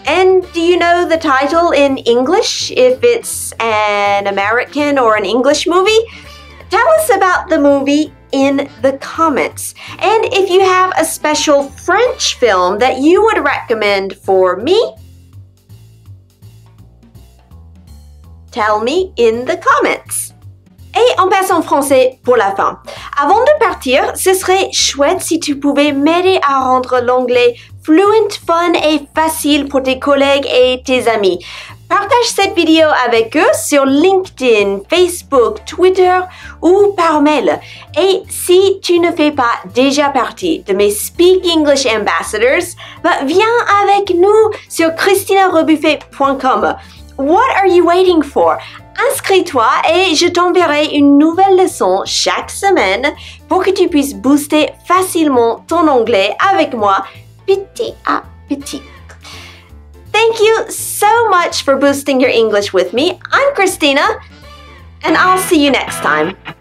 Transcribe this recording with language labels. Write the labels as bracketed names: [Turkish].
[English] And do you know the title in English if it's an American or an English movie? Tell us about the movie in the comments. And if you have a special French film that you would recommend for me, tell me in the comments. [French] Et on passe en français pour la fin. Avant de partir, ce serait chouette si tu pouvais m'aider à rendre l'anglais fluent, fun et facile pour tes collègues et tes amis. Partage cette vidéo avec eux sur LinkedIn, Facebook, Twitter ou par mail. Et si tu ne fais pas déjà partie de mes Speak English Ambassadors, bah viens avec nous sur christinarebuffet.com. [English] What are you waiting for? [French] Inscris-toi et je t'enverrai une nouvelle leçon chaque semaine pour que tu puisses booster facilement ton anglais avec moi, petit à petit. [English] Thank you so much for boosting your English with me. I'm Christina, and I'll see you next time.